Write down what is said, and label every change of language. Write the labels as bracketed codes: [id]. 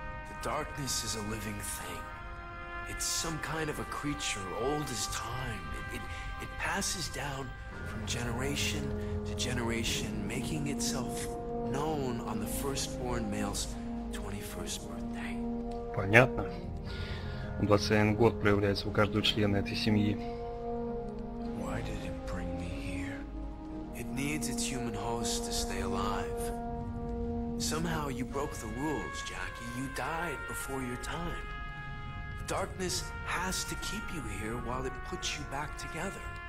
[en] The darkness is a living thing. It's some kind of a creature, old as time. It passes down from generation to generation, making itself known on the firstborn male's 21st birthday. [ru] Понятно. 21 год проявляется у каждого члена этой семьи. [en] Why did it bring me here? It needs its human host to stay alive. Somehow you broke the rules, Jackie. You died before your time. Darkness has to keep you here while it puts you back together.